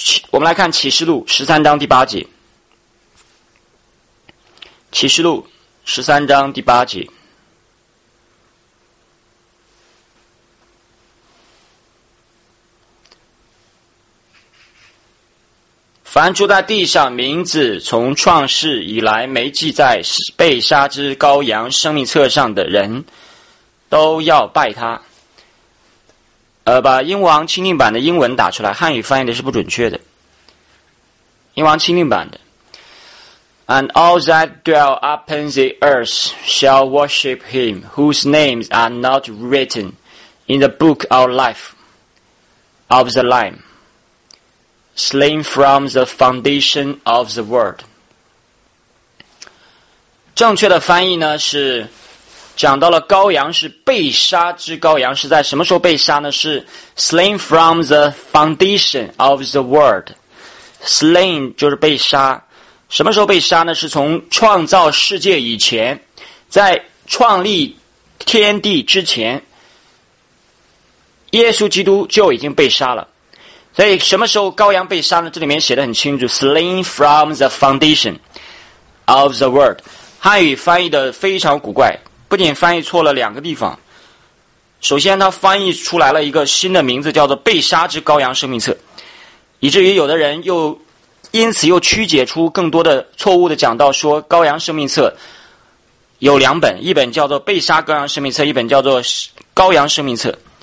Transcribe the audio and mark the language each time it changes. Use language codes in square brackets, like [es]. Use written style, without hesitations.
[zh] 我们来看启示录13章第8节，启示录13章第8节，凡住在地上名字从创世以来没记在被杀之羔羊生命册上的人都要拜他。把英王钦定版的英文打出来，汉语翻译的是不准确的。英王钦定版的 [en] And all that dwell upon the earth shall worship him whose names are not written in the book of life of the Lamb slain from the foundation of the world。 [zh] 正确的翻译呢是讲到了羔羊是被杀之羔羊，是在什么时候被杀呢？ [en] 是 slain from the foundation of the world。 [zh] slain 就是被杀，什么时候被杀呢？是从创造世界以前，在创立天地之前，耶稣基督就已经被杀了。所以什么时候羔羊被杀呢？这里面写得很清楚， [en] slain from the foundation of the world。 [zh] 汉语翻译的非常古怪，不仅翻译错了两个地方，首先它翻译出来了一个新的名字，叫做被杀之羔羊生命册，以至于有的人又因此又曲解出更多的错误的讲道，说羔羊生命册有两本，一本叫做被杀羔羊生命册，一本叫做羔羊生命册。